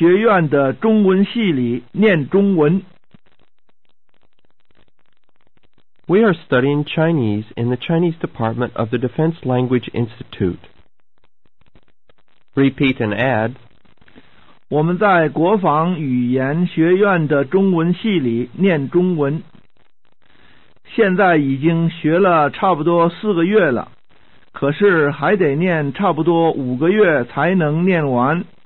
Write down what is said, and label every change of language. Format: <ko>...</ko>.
<zh>我们在国防语言学院的中文系里念中文。</zh> <en>We are studying Chinese in the Chinese Department of the Defense Language Institute. Repeat and add.</en> <zh>我们在国防语言学院的中文系里念中文。现在已经学了差不多4个月了，可是还得念差不多5个月才能念完。</zh>